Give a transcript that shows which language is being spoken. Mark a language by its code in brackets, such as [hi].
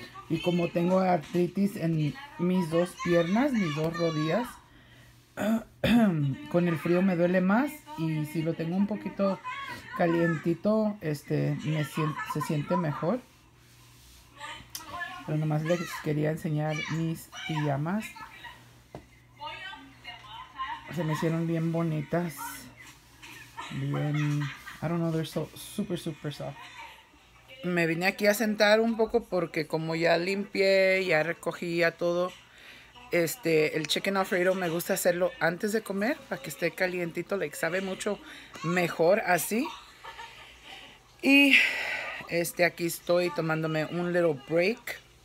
[es] Y como tengo artritis en mis dos piernas, mis dos rodillas, con el frío me duele más, y si lo tengo un poquito calientito, se siente mejor. Pero nomás les quería enseñar mis pijamas. Se me hicieron bien bonitas. Bien, [en] I don't know, they're so super, super soft. [es] Me vine aquí a sentar un poco porque como ya limpié, ya recogí ya todo. El chicken alfredo me gusta hacerlo antes de comer para que esté calientito, like, sabe mucho mejor así. Y aquí estoy tomándome un [en] little break.